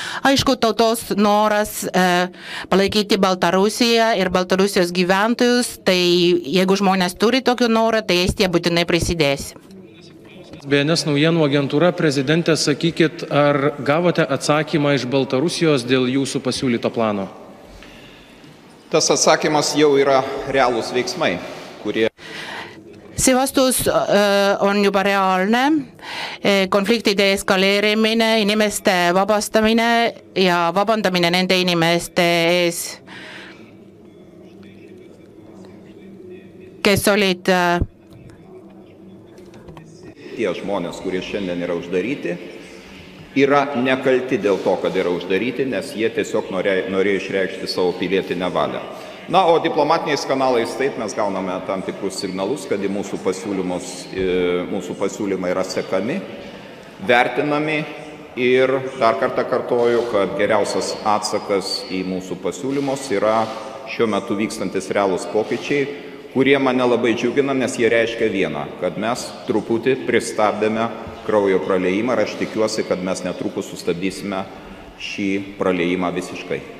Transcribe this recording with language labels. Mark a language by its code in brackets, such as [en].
[lt] Aišku, tautos noras palaikyti Baltarusiją ir Baltarusijos gyventojus, tai jeigu žmonės turi tokių norą, tai Estija būtinai prisidės. BNS naujienų agentūra, prezidentė, sakykit, ar gavote atsakymą iš Baltarusijos dėl jūsų pasiūlyto plano? Tas atsakymas jau yra realūs veiksmai. [et] Sivastus on juba reaalne. Konfliktide eskaleerimine, inimeste vabastamine ja vabandamine nende inimeste ees, kes olid [lt] tie žmonės, kurie šiandien yra uždaryti, yra nekalti dėl to, kad yra uždaryti, nes jie tiesiog norėjo išreikšti savo pilietinę valią. Na, o diplomatiniais kanalais taip mes gauname tam tikrus signalus, kad mūsų pasiūlymai yra sekami, vertinami ir dar kartą kartoju, kad geriausias atsakas į mūsų pasiūlymus yra šiuo metu vykstantis realūs pokyčiai, kurie mane labai džiugina, nes jie reiškia vieną, kad mes truputį pristabdėme kraujo praliejimą ir aš tikiuosi, kad mes netrukus sustabdysime šį praliejimą visiškai.